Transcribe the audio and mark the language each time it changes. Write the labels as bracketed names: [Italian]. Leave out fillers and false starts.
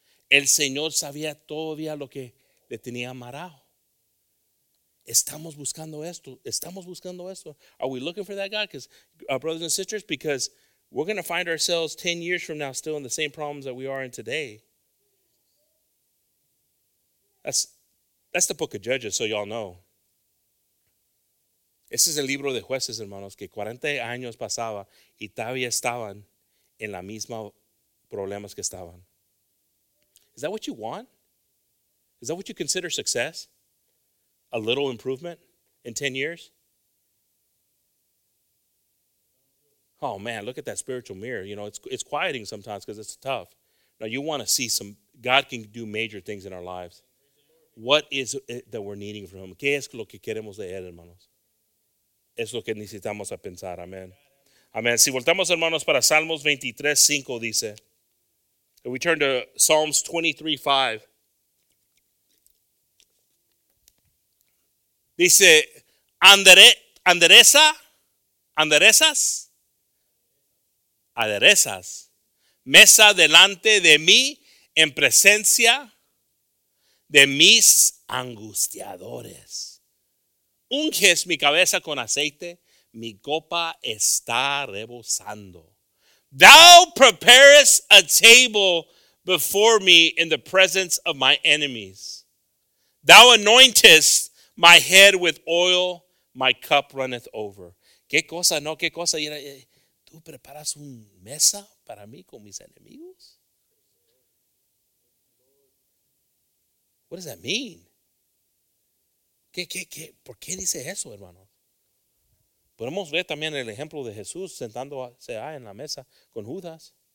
[Spanish] El Señor sabía todavía lo que le tenía amarrado. Estamos buscando esto, estamos buscando esto. [English] Are we looking for that God? Because brothers and sisters, because we're going to find ourselves 10 years from now still in the same problems that we are in today. That's the book of Judges, so y'all know. [Spanish] Ese es el libro de jueces, hermanos, que 40 años pasaba y todavía estaban en la misma problemas que estaban. [English] Is that what you want? Is that what you consider success? A little improvement in 10 years? Oh man, look at that spiritual mirror. You know, it's quieting sometimes because it's tough. Now you want to see some, God can do major things in our lives. What is it that we're needing from him? [Spanish] ¿Qué es lo que queremos de él, hermanos? Es lo que necesitamos a pensar, amen. Amen. Si voltamos, hermanos, para Salmos 23:5 dice, [English] and we turn to Psalms 23:5. [Spanish] Dice, andereza, anderezas, aderezas mesa delante de mí en presencia de mis angustiadores. Unges mi cabeza con aceite, mi copa está rebosando. [English] Thou preparest a table before me in the presence of my enemies. Thou anointest my head with oil, my cup runneth over. [Spanish] ¿Qué cosa, no? ¿Qué cosa? ¿Tú preparas una mesa para mí con mis enemigos? [English] What does that mean? [Spanish] ¿Qué? ¿Por qué dice eso, hermano? Podemos ver también el ejemplo de Jesús sentándose en la mesa con Judas.